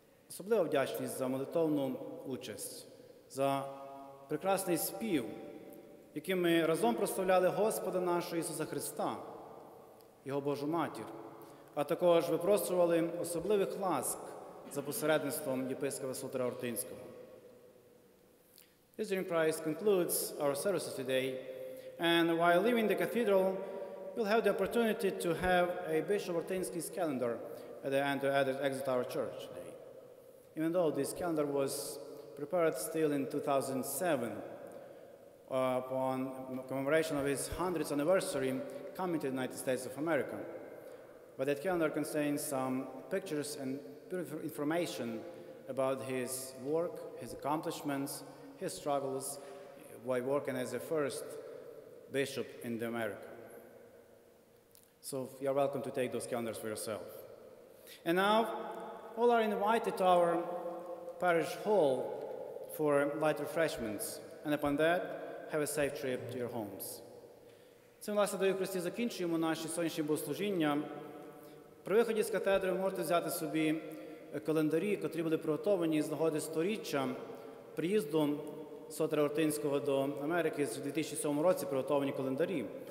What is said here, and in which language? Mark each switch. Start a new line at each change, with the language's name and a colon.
Ukrainian: Особлива вдячність за молитовну участь, за прекрасний спів, яким ми разом прославляли Господа нашого Ісуса Христа, Його Божу Матір, а також випростували особливих ласк за посередництвом єпископа Сотера Ортинського.
English: This dream prize concludes our services today, and while leaving the cathedral, we'll have the opportunity to have a Bishop Ortynsky's calendar at the end to exit our church today. Even though this calendar was prepared still in 2007, upon commemoration of his 100th anniversary coming to the United States of America. But that calendar contains some pictures and beautiful information about his work, his accomplishments, his struggles while working as the first bishop in America. So you're welcome to take those calendars for yourself. And now, all are invited to our parish hall for light refreshments, and upon that, have a safe trip to your homes.
Ukrainian: Цим, власне, до Євхаристі закінчуємо наші сьогоднішні богослужіння. При виході з катедри ви можете взяти собі календарі, котрі були приготовані з нагоди сторіччя приїзду Сотера Ортинського до Америки з 2007 році приготовані календарі.